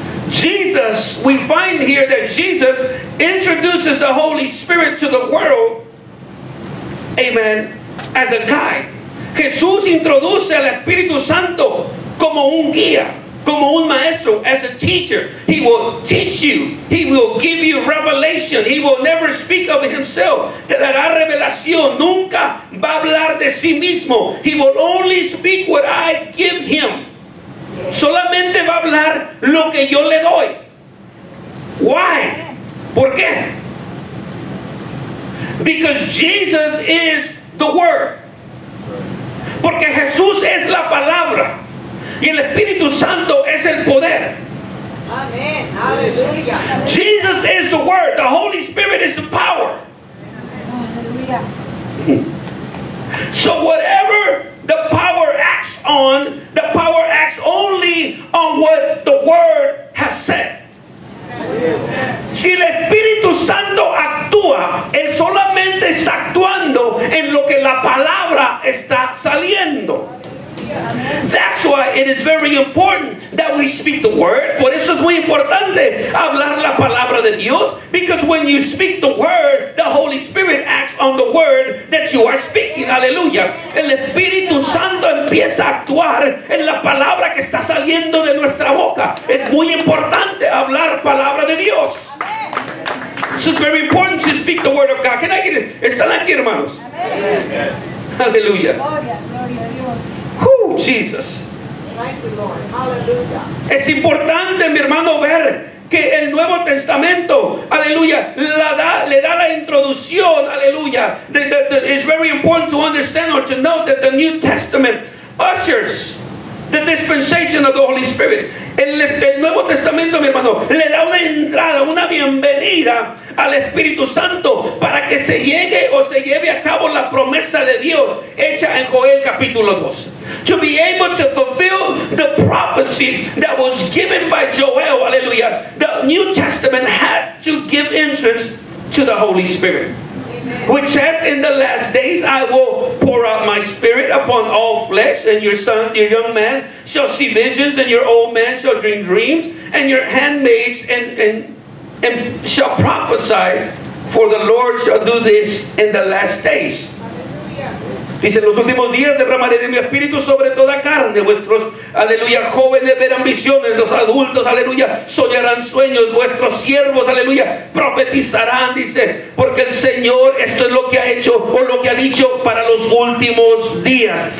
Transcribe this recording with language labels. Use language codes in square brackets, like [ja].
[en] Jesus, we find here that Jesus introduces the Holy Spirit to the world, amen, as a guide. [es] Jesús introduce al Espíritu Santo como un guía. Como un maestro, [en] as a teacher, he will teach you. He will give you revelation. He will never speak of himself. [es] Te dará revelación. Nunca va a hablar de sí mismo. [en] He will only speak what I give him. [es] Solamente va a hablar lo que yo le doy. [en] Why? [es] ¿Por qué? [en] Because Jesus is the Word. [es] Porque Jesús es la palabra. Y el Espíritu Santo es el poder. Amen. Aleluya. [en] Jesus is the Word. The Holy Spirit is the power. [es] Aleluya. [en] So whatever the power acts on, the power acts only on what the Word has said. [es] Si el Espíritu Santo actúa, él solamente está actuando en lo que la palabra está saliendo. [en] That's why it is very important that we speak the word. [es] Por eso es muy importante hablar la palabra de Dios. [en] Because when you speak the word, the Holy Spirit acts on the word that you are speaking. [es] Aleluya. El Espíritu Santo empieza a actuar en la palabra que está saliendo de nuestra boca. Es muy importante hablar palabra de Dios. Amen. [en] So it's very important to speak the word of God. Can I get it? [es] ¿Están aquí, hermanos? [en] Amen. [es] Aleluya. Gloria a Dios. [en] Jesus. Hallelujah. [es] Es importante, mi hermano, ver que el Nuevo Testamento, aleluya, le da la introducción, aleluya. [en] It's very important to understand or to know that the New Testament ushers the dispensation of the Holy Spirit. [es] El Nuevo Testamento, mi hermano, le da una entrada, una bienvenida al Espíritu Santo para que se llegue o se lleve a cabo la promesa de Dios hecha en Joel capítulo 2. [en] To be able to fulfill the prophecy that was given by Joel, aleluya, the New Testament had to give entrance to the Holy Spirit. Amen. Which says, in the last days I will pour out my spirit upon all flesh, and your son, your young man, shall see visions, and your old man shall dream dreams, and your handmaids and shall prophesy, for the Lord shall do this in the last days. [es] Dice, los últimos días derramaré de mi espíritu sobre toda carne. Vuestros, aleluya, jóvenes verán visiones. Los adultos, aleluya, soñarán sueños. Vuestros siervos, aleluya, profetizarán, dice. Porque el Señor, esto es lo que ha hecho, o lo que ha dicho para los últimos días.